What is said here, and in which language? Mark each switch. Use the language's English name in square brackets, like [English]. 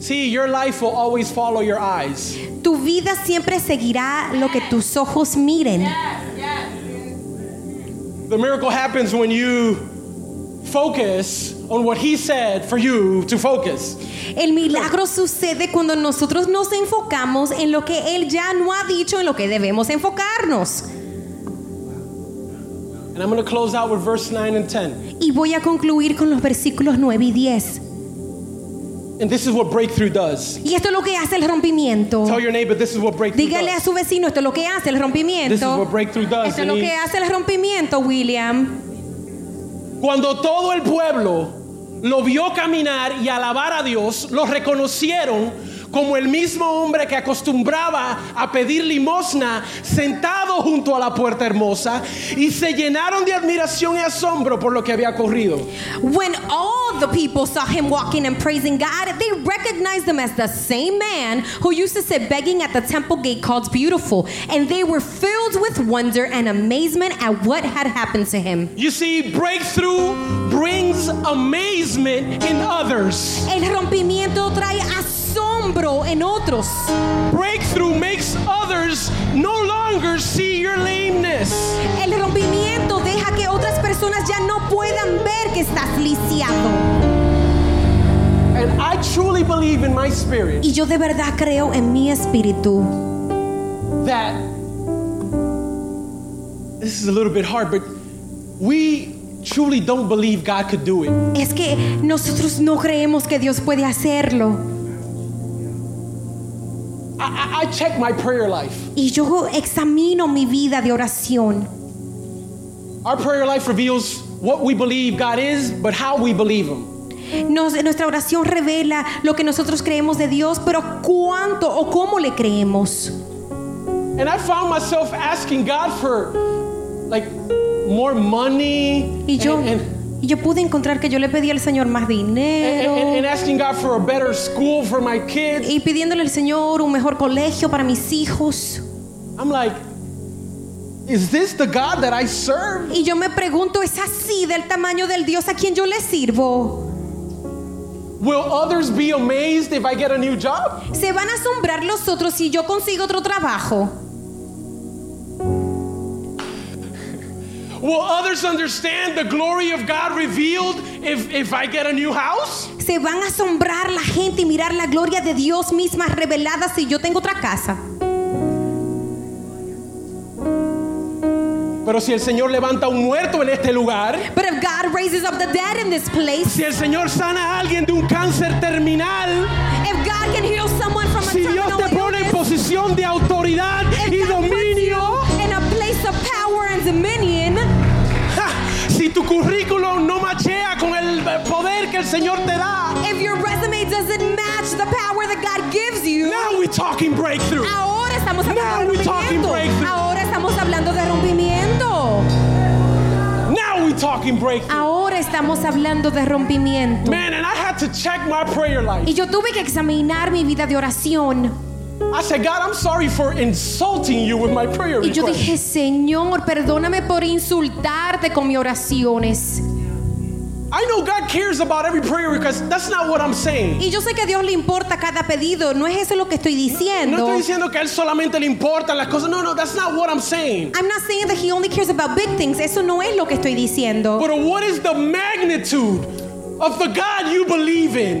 [English] See, your life will always follow your eyes. [Spanish] Tu vida siempre seguirá lo que tus ojos miren. [English] The miracle happens when you focus on what He said for you to focus. [Spanish] El milagro sucede cuando nosotros nos enfocamos en lo que Él ya no ha dicho, en lo que debemos enfocarnos. [English] And I'm going to close out with verse 9 and 10. [Spanish] Y voy a concluir con los versículos 9 y 10. [English] And this is what breakthrough does. [Spanish] Y esto es lo que hace el rompimiento. [English] Tell your neighbor, this is what breakthrough [Spanish] Dígale [English] does. [Spanish] A su vecino, esto es lo que hace el rompimiento. [English] This is what breakthrough does. [Spanish] Esto es lo que hace el rompimiento, William. Cuando todo el pueblo lo vio caminar y alabar a Dios, lo reconocieron como el mismo hombre que acostumbraba a pedir limosna sentado junto a la puerta hermosa, y se llenaron de admiración y asombro por lo que había ocurrido. [English] When all the people saw him walking and praising God, they recognized him as the same man who used to sit begging at the temple gate called Beautiful, and they were filled with wonder and amazement at what had happened to him. You see, breakthrough brings amazement in others. [Spanish] El rompimiento trae en otros. [English] Breakthrough makes others no longer see your lameness. [Spanish] El rompimiento deja que otras personas ya no puedan ver que estás lisiado. [English] And I truly believe in my spirit. [Spanish] Y yo de verdad creo en mi espíritu. [English] That this is a little bit hard, but we truly don't believe God could do it. [Spanish] Es que nosotros no creemos que Dios puede hacerlo. [English] I check my prayer life. [Spanish] Y yo examino mi vida de oración. [English] Our prayer life reveals what we believe God is, but how we believe Him. [Spanish] Nuestra oración revela lo que nosotros creemos de Dios, pero cuánto o cómo le creemos. [English] And I found myself asking God for, like, more money. [Spanish] Y yo. Y yo pude encontrar que yo le pedí al Señor más dinero. [English] And asking God for a better school for my kids. [Spanish] Y pidiéndole al Señor un mejor colegio para mis hijos. [English] I'm like, is this the God that I serve? [Spanish] Y yo me pregunto, ¿es así del tamaño del Dios a quien yo le sirvo? [English] Will others be amazed if I get a new job? [Spanish] ¿Se van a asombrar los otros si yo consigo otro trabajo? [English] Will others understand the glory of God revealed if I get a new house? [Spanish] Se van a asombrar la gente y mirar la gloria de Dios misma revelada si yo tengo otra casa. Pero si el Señor levanta un muerto en este lugar, [English] but if God raises up the dead in this place, [Spanish] si el Señor sana a alguien de un cáncer terminal, [English] if God can heal someone from a [Spanish] si Dios te pone en posición de autoridad y dominio, [English] in a place of power and dominion, [Spanish] si tu currículum no machea con el poder que el Señor te da, [English] if your resume doesn't match the power that God gives you, now we're talking breakthrough. [Spanish] Ahora estamos hablando [English] now we're talking breakthrough. [Spanish] Ahora estamos hablando de rompimiento. [English] Now we're talking breakthrough. [Spanish] Ahora estamos hablando de rompimiento. [English] Man, and I had to check my prayer life. [Spanish] Y yo tuve que examinar mi vida de oración. [English] I said, God, I'm sorry for insulting you with my prayer request. [Spanish] Y yo dije, Señor, perdóname por insultarte con mis oraciones. [English] I know God cares about every prayer request. That's not what I'm saying. [Spanish] Y yo sé que a Dios le importa cada pedido. No es eso lo que estoy diciendo. No estoy diciendo que a él solamente le importan las cosas. [English] No, that's not what I'm saying. I'm not saying that he only cares about big things. [Spanish] Eso no es lo que estoy diciendo. [English] But what is the magnitude of the God you believe in?